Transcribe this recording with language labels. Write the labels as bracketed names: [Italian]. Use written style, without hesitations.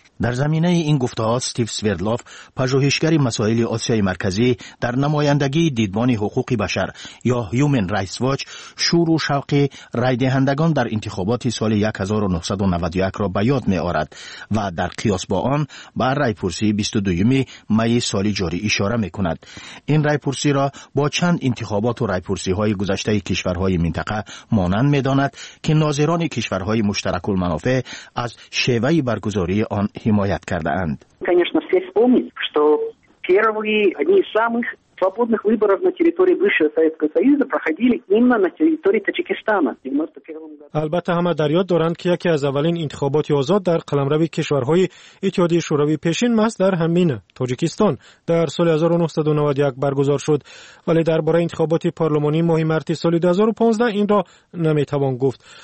[Persian] در زمینه این گفته‌ها استیو سویردلوف، پژوهشگر مسائل آسیای مرکزی در نمایندگی دیدبان حقوق بشر یا هیومن رایتس واچ، شور و شوق رای دهندگان در انتخابات سال 1991 را به یاد می‌آورد و در قیاس با آن به رایپرسی 22 می سال جاری اشاره می‌کند. این رایپرسی را با چند انتخابات و رایپرسی‌های گذشته کشورهای منطقه مانند می‌داند که ناظران کشورهای مشترک المنافع از شیوه برگزاری آن حمایت کرده اند. [Russian] Конечно, все вспомнить, что первые одни из самых свободных выборов на территории бывшего Советского Союза проходили именно на территории Таджикистана. [Persian] البته همه در یاد دارند که یکی از اولین انتخابات آزاد در قلمرو کشورهای اتحادیه شوروی پیشین ماست در همین تاجیکستان در سال 1991 برگزار شد، ولی درباره انتخابات پارلمانی ماه مارس سال 2015 این را نمیتوان گفت.